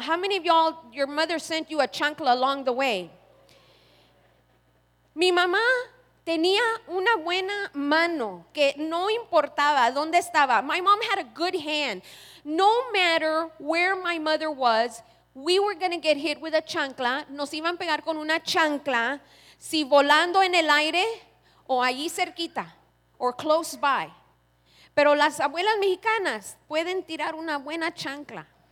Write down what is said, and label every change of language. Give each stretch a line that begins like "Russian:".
English: How many of y'all, your mother sent you a chancla along the way?
Spanish: Mi mamá tenía una buena mano que no importaba dónde estaba.
English: My mom had a good hand. No matter where my mother was, we were going to get hit with a chancla.
Spanish: Nos iban a pegar con una chancla, si volando en el aire o allí cerquita,
English: or close by.
Spanish: Pero las abuelas mexicanas pueden tirar una buena chancla.